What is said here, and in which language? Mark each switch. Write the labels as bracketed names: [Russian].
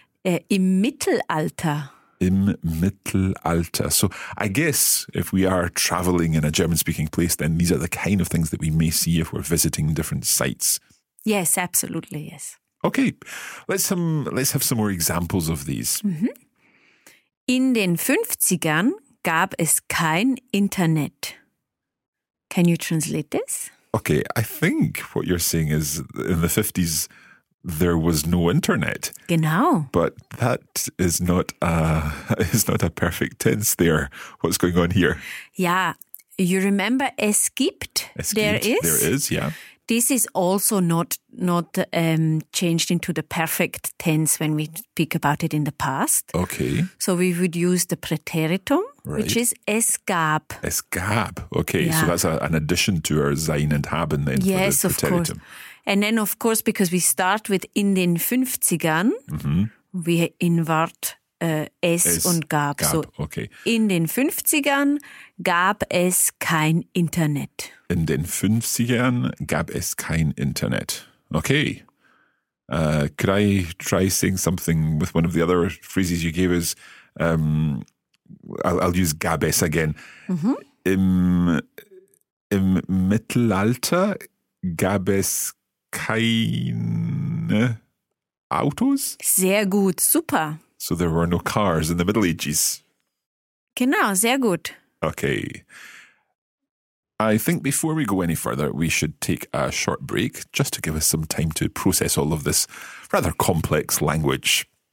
[German] Im Mittelalter. Im Mittelalter. [English] So I guess if we are travelling in a German-speaking place, then these are the kind of things that we may see if we're visiting different sites. Yes, absolutely, yes. Okay, let's have some more examples of these. Mm-hmm. [German] In den 50ern gab es kein Internet. [English] Can you translate this? Okay, I think what you're saying is in the 50s, there was no internet. [German] Genau. [English] But that is not a perfect tense there. What's going on here? Yeah. You remember [German] es gibt, [English] there is, yeah. This is also not changed into the perfect tense when we speak about it in the past. Okay. So we would use the preteritum, right, which is [German] es gab. Es gab. [English] Okay. Yeah. So that's an addition to our sein and haben then. Yes, for the preteritum. Of course. And then, of course, because we start with [German] in den 50ern, [English] mm-hmm, we invert [German] es und gab. [English] So, okay. [German] In den 50ern gab es kein Internet. In den 50ern gab es kein Internet. [English] Okay. Could I try saying something with one of the other phrases you gave us? I'll use [German] gab es [English] again. Mm-hmm. [German] Im Mittelalter gab es keine Autos? Sehr gut, super. [English] So there were no cars in the Middle Ages. [German] Genau, sehr gut. [English] Okay. I think before we go any further, we should take a short break just to give us some time to process all of this rather complex language.